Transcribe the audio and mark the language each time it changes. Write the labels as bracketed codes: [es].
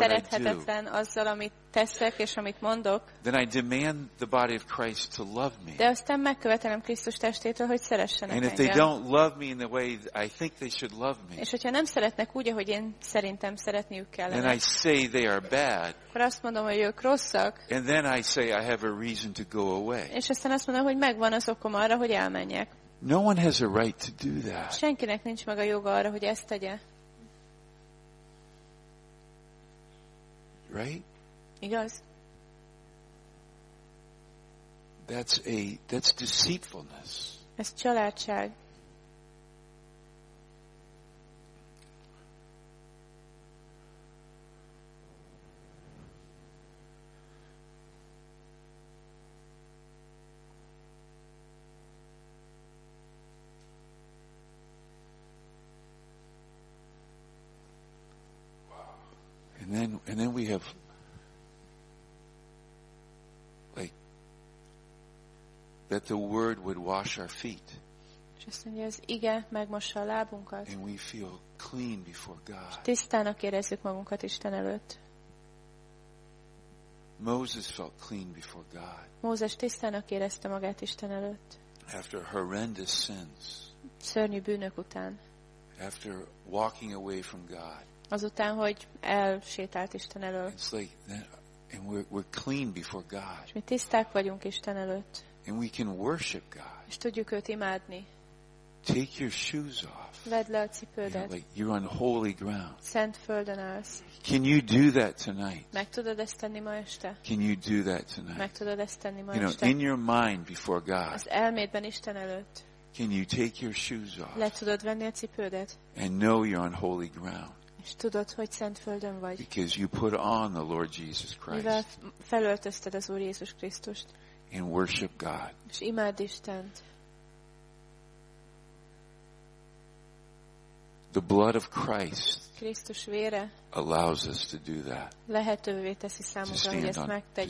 [hu] Szerethetetlen azzal, amit teszek és amit mondok. [en] Then I demand the body of Christ to love me. [hu] De aztán megkövetelem Krisztus testétől, hogy szeressenek engem. [en] And if they don't love me in the way I think they should love me. [hu] És hogyha nem szeretnek úgy, ahogy én szerintem szeretniük kellene. [en] Then I say they are bad. [hu] Akkor azt mondom, hogy ők rosszak. [en] And then I say I have a reason to go away. [hu] És aztán azt mondom, hogy megvan az okom arra, hogy elmenjek. [en] No one has a right to do that. [hu] Senkinek nincs meg a joga arra, hogy ezt tegye. [en] Right? [hu] Igaz. [en] That's deceitfulness. [hu] Ez csalátság. [en] And then we have like that the word would wash our feet. [hu] Just mondja, az ige megmossa a lábunkat. [en] And we feel clean before God. [hu] Tisztának érezzük magunkat Isten előtt. [en] Moses felt clean before God. [hu] Mózes tisztának érezte magát Isten előtt. [en] After horrendous sins. [hu] Szörnyű bűnök után. [en] After walking away from God. [hu] Azután, hogy elsétált Isten elől. [en] It's like that, and we're clean before God. [hu] Mi tiszták vagyunk Isten előtt. [en] And we can worship God. [hu] És tudjuk őt imádni. [en] Take your shoes off. [hu] Vedd le a cipődet. [en] You know, like you're on holy ground. [hu] Szent földön állsz. [en] Can you do that tonight? [hu] Meg tudod ezt tenni ma este? [en] Can you do that tonight? [hu] Meg tudod ezt tenni ma este? [en] You know, in your mind before God. [hu] Az elmédben Isten előtt. [en] Can you take your shoes off? [hu] Le tudod venni a cipődet? [en] And know you're on holy ground. [hu] És tudod, hogy szent földön vagy. [en] Because you put on the Lord Jesus Christ. [hu] Mivel felöltözted az Úr Jézus Krisztust. [en] And worship God. [hu] És imádd Istent. [en] The blood of Christ. [hu] Krisztus vére. [en] Allows us to do that. [hu] Lehetővé teszi számunkra, hogy ezt megtegyük.